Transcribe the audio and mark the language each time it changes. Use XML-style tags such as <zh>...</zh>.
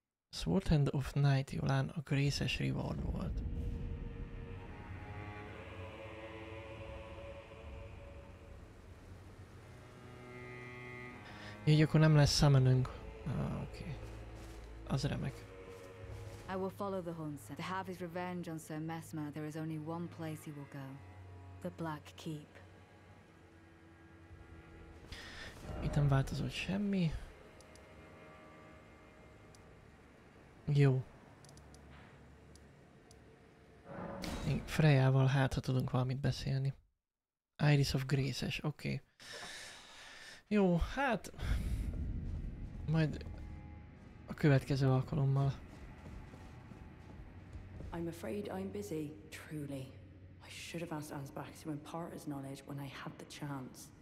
<hu>Sword Hand of Night Yolan a grészes reward volt. Így akkor nem lesz summonünk. Ah, oké. Okay. Az remek.</hu> <en>I will follow the Hunsen. To have his revenge on Sir Mesmer, there is only one place he will go. The Black Keep.</en> <hu>Itt nem változott semmi. Jó. Még Freyával hát, ha tudunk valamit beszélni. Iris of Graces, oké. Okay. Jó, hát... Majd... A következő alkalommal.</hu> <en>I'm afraid I'm busy, truly. I should have asked Ansbach to impart his knowledge when I had the chance.</en>